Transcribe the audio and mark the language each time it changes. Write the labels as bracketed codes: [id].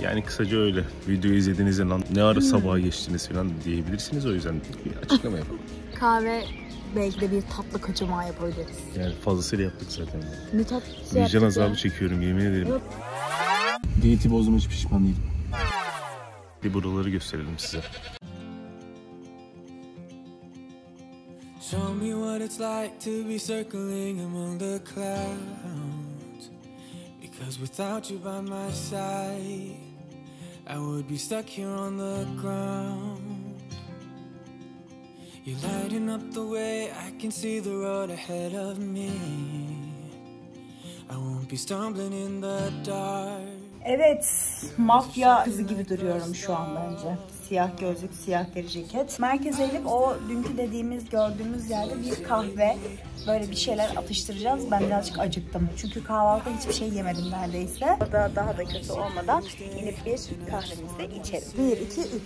[tr] Yani kısaca öyle, videoyu izlediğinizde lan ne ara sabaha geçtiniz falan diyebilirsiniz. O yüzden bir açıklama yapalım. Kahve, belki de bir tatlı kaçamağı yapabiliriz. Yani fazlasıyla yaptık zaten. Ne tatlısı yaptık ya. Vicdan azabı çekiyorum yemin ederim. Yok. Diyeti bozma, hiç pişman değilim. Bir buraları gösterelim size. [en] Show me what it's like to be circling among the clouds. Because without you by my side, I would be stuck here on the ground. You're lighting up the way, I can see the road ahead of me. I won't be stumbling in the dark. [tr] Evet, mafya kızı gibi duruyorum şu an bence. Siyah gözlük, siyah deri ceket. Merkeze gelip o dünkü dediğimiz, gördüğümüz yerde bir kahve, böyle bir şeyler atıştıracağız. Ben birazcık acıktım. Çünkü kahvaltıda hiçbir şey yemedim neredeyse. Daha da kötü olmadan inip bir kahvemizi de içelim. 1, 2, 3.